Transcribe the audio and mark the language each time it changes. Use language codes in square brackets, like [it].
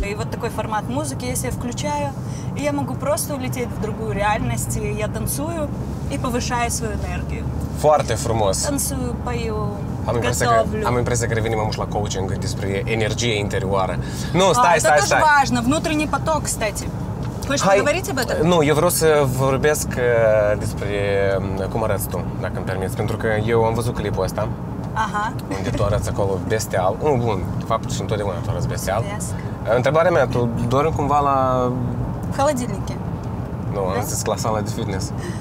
[ru] Такой формат музыки, если я включаю, и я могу просто улететь в другую реальность, и я танцую и повышаю свою энергию. [ro] Foarte frumos. [ru] Танцую, пою, готовлю. [ro] Am impresia că revenim la коучинг despre energie interioară. [ru] Ну, стой, стой, стой. Это тоже важно. Внутренний поток, кстати. Хочешь поговорить об этом? Ну, я вроде [ro] ворубеск despre cum arăți tu, dacă îmi permiți, pentru că eu am văzut clipul ăsta. Aha. Unde tu arăți acolo bestial. Nu, bun, de fapt și întotdeauna tu arăți bestial. Întrebarea mea, tu dormi cumva la... [ru] холодильнике. [ro] Nu, am zis la sala de fitness.